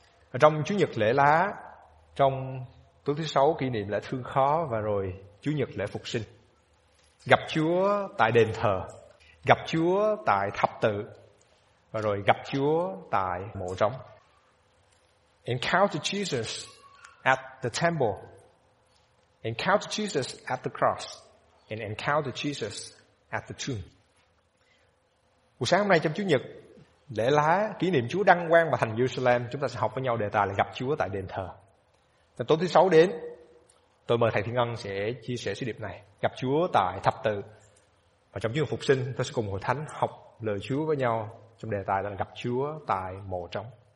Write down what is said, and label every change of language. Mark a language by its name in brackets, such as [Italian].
[Vietnamese] Ở trong Chúa Nhật lễ lá, trong tối thứ sáu kỷ niệm lễ thương khó và rồi Chúa Nhật lễ phục sinh. Gặp Chúa tại đền thờ, gặp Chúa tại thập tự và rồi gặp Chúa tại mộ trống. [English] Encounter Jesus at the temple, encounter Jesus at the cross, and encounter Jesus at the tomb. [Vietnamese] Buổi sáng hôm nay trong Chúa Nhật lễ lá kỷ niệm Chúa đăng quang vào thành Jerusalem, chúng ta sẽ học với nhau đề tài là gặp Chúa tại đền thờ. Và tối thứ sáu đến, tôi mời thầy Thiên Ân sẽ chia sẻ sứ điệp này, gặp Chúa tại thập tự. Và trong Chúa phục sinh, tôi sẽ cùng hội thánh học lời Chúa với nhau trong đề tài là gặp Chúa tại mộ trống.